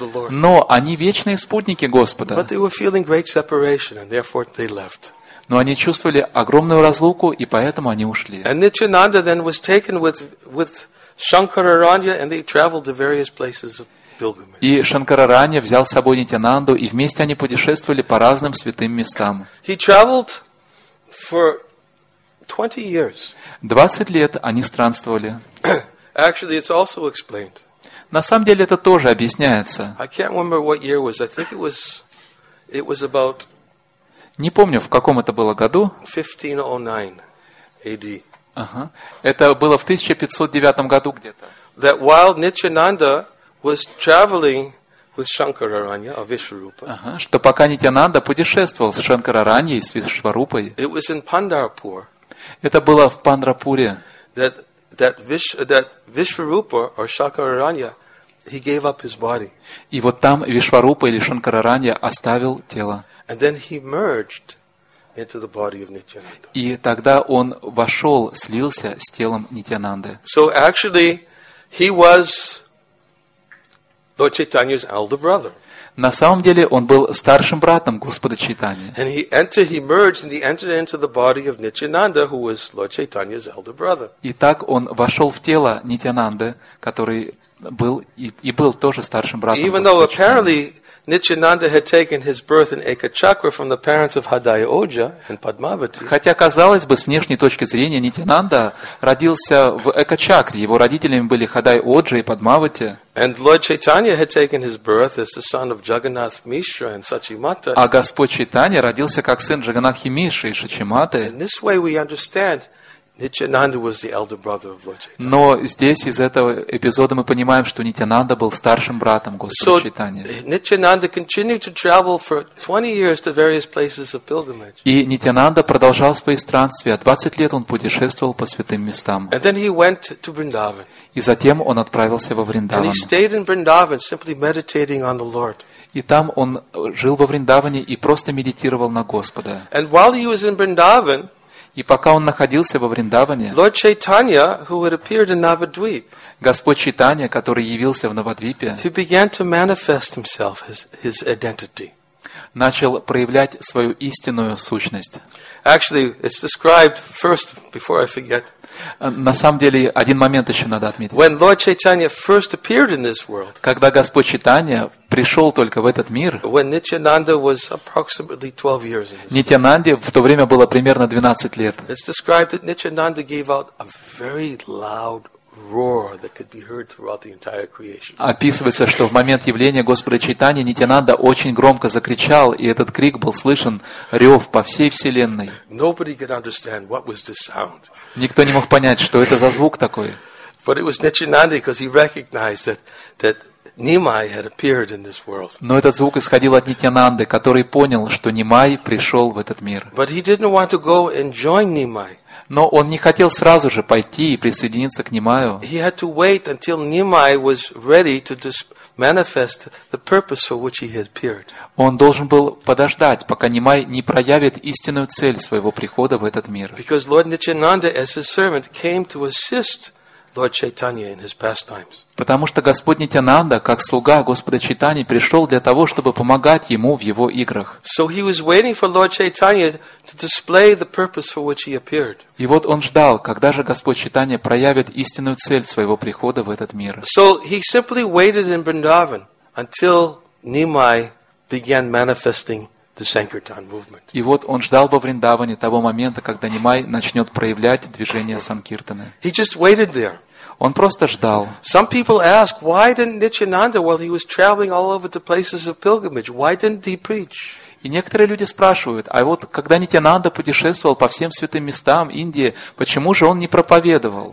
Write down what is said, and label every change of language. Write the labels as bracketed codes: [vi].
[ru] Но они вечные спутники Господа. Но они чувствовали большую сепарацию, и поэтому они ушли. Но они чувствовали огромную разлуку, и поэтому они ушли. [en] And Nityananda then was taken with Shankararanya, and they traveled to various places of pilgrimage. [ru] И Шанкараранья взял с собой Нитянанду, и вместе они путешествовали по разным святым местам. [en] He traveled for 20 years. [ru] 20 лет они странствовали. [en] Actually, it's also explained. [ru] На самом деле это тоже объясняется. [en] I can't remember what year it was. I think it was about. [ru] Не помню, в каком это было году. [en] 1509 AD. [ru] Ага. Это было в 1509 году где-то. [en] That while Nityananda was traveling with Shankararanya, or Vishwarupa. [ru] Ага. Что пока Нитянанда путешествовал с Шанкарараньей, с Вишварупой. [en] It was in Pandharpur. [ru] Это было в Пандрапуре. [en] That Vishwarupa or Shankararanya, he gave up his body. [ru] И вот там Вишварупа или Шанкарараньи оставил тело. [en] And then he merged into the body of Nityananda. [ru] И тогда он вошел, слился с телом Нитянанды. [en] So actually, he was Lord Chaitanya's elder brother. [ru] На самом деле он был старшим братом Господа Чайтаньи. [en] And he entered into the body of Nityananda, who was Lord Chaitanya's elder brother. [ru] И так он вошел в тело Нитянанды, который был и был тоже старшим братом [en] Even [ru] Господа [en] though apparently Nityananda had taken his birth in Ekachakra from the parents of Hadayoja and Padmavati. [ru] Хотя казалось бы, с внешней точки зрения, Нитянанда родился в Экачакре. Его родителями были Хадай Оджа и Падмавати. [en] And Lord Chaitanya had taken his birth as the son of Jagannath Mishra and Sachimata. [ru] А Господь Чайтанья родился как сын Джаганнатхи Мишры и Сачиматы. [en] In this way, we understand. Nityananda was the elder brother of Lord Chaitanya. [ru] Но здесь из этого эпизода мы понимаем, что Нитянанда был старшим братом Господа Чайтаньи. [en] So Nityananda continued to travel for 20 years to various places of pilgrimage. [ru] И Нитянанда продолжал свои странствия. 20 лет он путешествовал по святым местам. [en] And then he went to Vrindavan. [ru] И затем он отправился во Вриндаван. [en] And he stayed in Vrindavan, simply meditating on the Lord. [ru] И там он жил во Вриндаване и просто медитировал на Господа. [en] And while he was in Vrindavan. [ru] И пока он находился во Вриндаване, [en] Lord Chaitanya, who had appeared in Navadvip, [ru] Господь Чайтанья, который явился в Навадвипе, [en] he began to manifest himself, his identity. [ru] Начал проявлять свою истинную сущность. [en] Actually, it's described first, before I forget. [ru] На самом деле, один момент еще надо отметить. [en] When Lord Chaitanya first appeared in this world, [ru] когда Господь Чайтанья пришел только в этот мир, [en] when Nityananda was approximately 12 years old, [ru] Нитянанде в то время было примерно 12 лет. [en] It's described that Nityananda gave out a very loud roar that could be heard throughout the entire creation. [ru] Описывается, что в момент явления Господа Чайтанья Нитянанда очень громко закричал, и этот крик был слышен рев по всей вселенной. [en] Nobody could understand what was this sound. [ru] Никто не мог понять, что это за звук такой. [en] But it was Nityananda because he recognized that Nimai had appeared in this world. [ru] Но этот звук исходил от Нитянанды, который понял, что Нимай пришел в этот мир. [en] But he didn't want to go and join Nimai. [ru] Но он не хотел сразу же пойти и присоединиться к Нимаю. [en] He had to wait until Nimai was ready to manifest the purpose for which he had appeared. [ru] Он должен был подождать, пока Нимай не проявит истинную цель своего прихода в этот мир. [en] Because Lord Nityananda, as his servant, came to assist Lord Chaitanya in his pastimes. [ru] Потому что Господь Нитянанда, как слуга Господа Чайтаньи, пришел для того, чтобы помогать ему в его играх. [en] So he was waiting for Lord Chaitanya to display the purpose for which he appeared. [ru] И вот он ждал, когда же Господь Чайтанья проявит истинную цель своего прихода в этот мир. [en] So he simply waited in Vrindavan until Nimai began manifesting the Sankirtan movement. [ru] И вот он ждал во Вриндаване того момента, когда Нимай начнет проявлять движение Санкиртаны. [en] He just waited there. [ru] Он просто ждал. [en] Some people ask, why didn't Nityananda, while he was traveling all over the places of pilgrimage, why didn't he preach? [ru] И некоторые люди спрашивают, а вот когда Нитянанда путешествовал по всем святым местам Индии, почему же он не проповедовал?